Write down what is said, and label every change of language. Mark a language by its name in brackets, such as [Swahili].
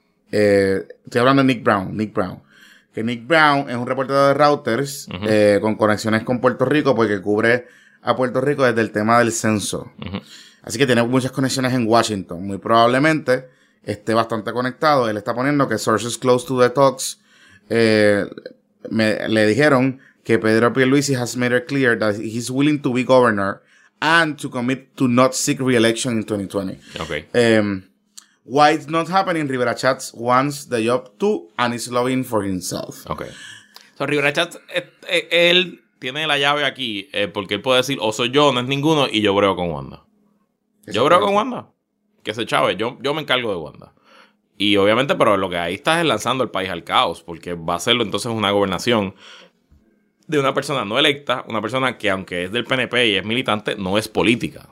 [Spanish] Estoy hablando de Nick Brown. Que Nick Brown es un reportero de Reuters, uh-huh, con conexiones con Puerto Rico porque cubre a Puerto Rico desde el tema del censo. Uh-huh. Así que tiene muchas conexiones en Washington. Muy probablemente esté bastante conectado. Él está poniendo que [English] sources close to the talks [Spanish] le dijeron que [English] Pedro Pierluisi has made it clear that he's willing to be governor and to commit to not seek re-election in 2020. Okay. Why it's not happening, Rivera Chats wants the job too and is lobbying for himself. Okay. [Spanish] So Rivera Chats, él tiene la llave aquí porque él puede decir, o soy yo, no es ninguno, y yo breo con Wanda. Yo breo con Wanda. Que se chave, yo me encargo de Wanda. Y obviamente, pero lo que ahí está es lanzando el país al caos, porque va a serlo entonces una gobernación de una persona no electa, una persona que aunque es del PNP y es militante, no es política.